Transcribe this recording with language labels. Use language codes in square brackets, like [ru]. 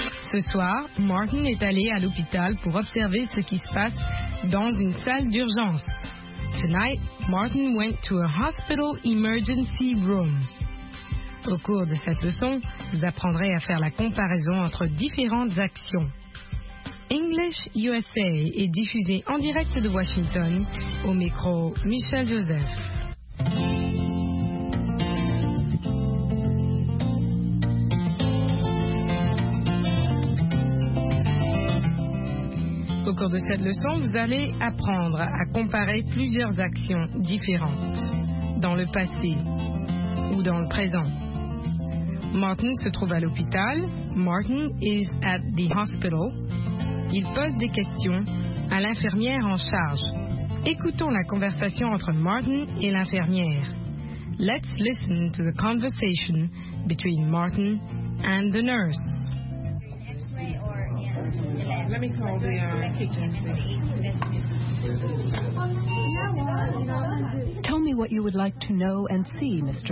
[fr] Ce soir, Martin est allé à l'hôpital pour observer ce qui se passe dans une salle d'urgence. [en] Tonight, Martin went to a hospital emergency room. [fr] Au cours de cette leçon, vous apprendrez à faire la comparaison entre différentes actions. English USA est diffusé en direct de Washington au micro Michel Joseph. Au cours de cette leçon, vous allez apprendre à comparer plusieurs actions différentes dans le passé ou dans le présent. Martin se trouve à l'hôpital. [en] Martin is at the hospital. [fr] Il pose des questions à l'infirmière en charge. Écoutons la conversation entre Martin et l'infirmière. [en] Let's listen to the conversation between Martin and the nurse. Let me call the kitchen. Tell me what you would like to know and see, Mr.